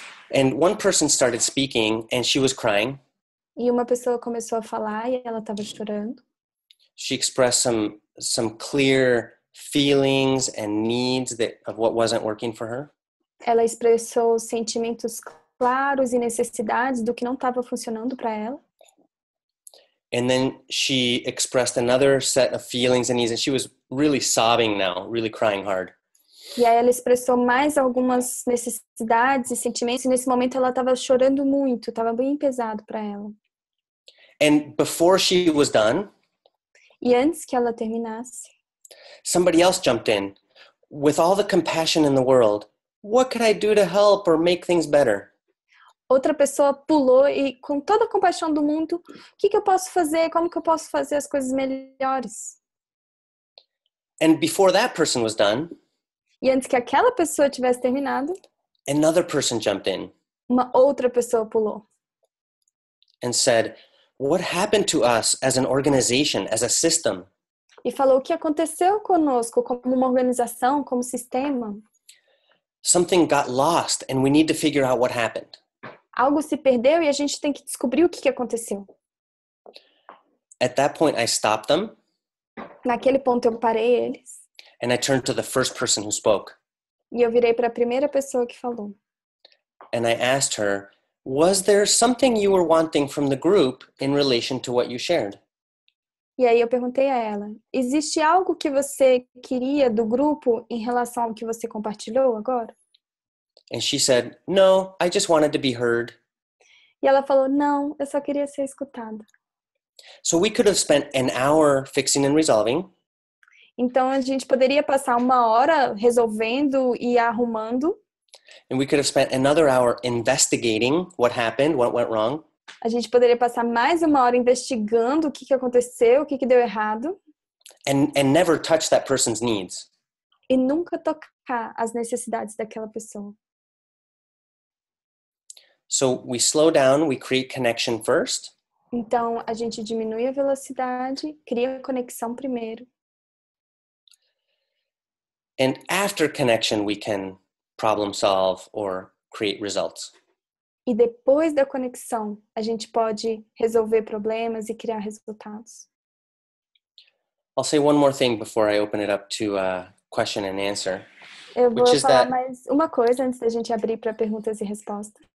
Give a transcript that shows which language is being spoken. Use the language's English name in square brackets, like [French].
[English] And one person started speaking, and she was crying. [Portuguese] E uma pessoa começou a falar, e ela estava chorando. [English] She expressed some clear feelings and needs that of what wasn't working for her. [Portuguese] Ela expressou sentimentos claros e necessidades do que não estava funcionando para ela. [English] And then she expressed another set of feelings and needs, and she was really sobbing now, really crying hard. [Portuguese] E aí ela expressou mais algumas necessidades e sentimentos, e nesse momento ela estava chorando muito, estava bem pesado para ela. [English] And before she was done, [Portuguese] e antes que ela terminasse, [English] somebody else jumped in. With all the compassion in the world, what could I do to help or make things better? [Portuguese] Outra pessoa pulou e com toda a compaixão do mundo, o que, que eu posso fazer? Como que eu posso fazer as coisas melhores? [English] And before that person was done, [Portuguese] e antes que aquela pessoa tivesse terminado, [English] another person jumped in. [Portuguese] Uma outra pessoa pulou. [English] And said, what happened to us as an organization, as a system? [Portuguese] E falou o que aconteceu conosco como uma organização, como sistema. [English] Something got lost and we need to figure out what happened. [Portuguese] Algo se perdeu e a gente tem que descobrir o que aconteceu. [English] At that point, I stopped them. [Portuguese] Naquele ponto, eu parei eles. [English] And I turned to the first person who spoke. [Portuguese] E eu virei para a primeira pessoa que falou. [English] And I asked her, was there something you were wanting from the group in relation to what you shared? [Portuguese] E aí eu perguntei a ela, existe algo que você queria do grupo em relação ao que você compartilhou agora? [English] And she said, no, I just wanted to be heard. [Portuguese] E ela falou, não, eu só queria ser escutada. [English] So we could have spent an hour fixing and resolving. [Portuguese] Então a gente poderia passar uma hora resolvendo e arrumando. [English] And we could have spent another hour investigating what happened, what went wrong. [Portuguese] A gente poderia passar mais uma hora investigando o que que aconteceu, o que que deu errado. [English] And never touch that person's needs. [Portuguese] E nunca tocar as necessidades daquela pessoa. [English] So we slow down, we create connection first. [Portuguese] Então a gente diminui a velocidade, cria a conexão primeiro. [English] And after connection we can problem solve or create results. [Portuguese] E depois da conexão, a gente pode resolver problemas e criar resultados. [English] I'll say one more thing before I open it up to question and answer. [Portuguese] Eu vou [English] which is [Portuguese] falar [English] that... [Portuguese] mais uma coisa antes da gente abrir para perguntas e respostas.